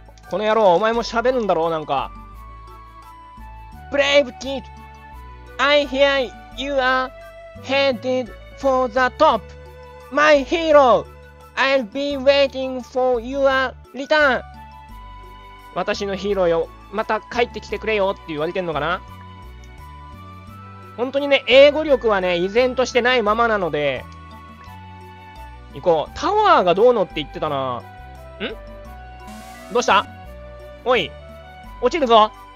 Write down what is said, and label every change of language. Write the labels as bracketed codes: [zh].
[ja] この野郎、お前も喋るんだろう、なんか。 [en] Brave kid, I hear you are headed for the top. My hero, I'll be waiting for your return. [ja] 私のヒーローよ、また帰ってきてくれよって言われてんのかな? 本当にね、英語力はね、依然としてないままなので、行こう。タワーがどうのって言ってたな。ん?どうした?おい、落ちるぞ。